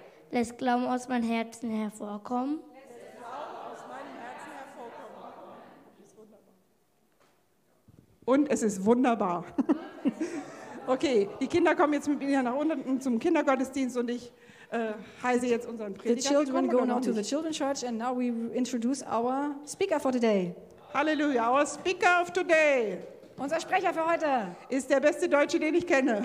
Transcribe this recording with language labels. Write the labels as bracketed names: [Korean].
[German] Lässt Glauben aus meinem Herzen hervorkommen. Und es ist wunderbar. Okay, die Kinder kommen jetzt mit mir nach unten zum Kindergottesdienst und ich heiße jetzt unseren Prediger. [English] The children go now to the children's church and now we introduce our speaker for today. Halleluja, our speaker of today. [German] Unser Sprecher für heute. Ist der beste Deutsche, den ich kenne.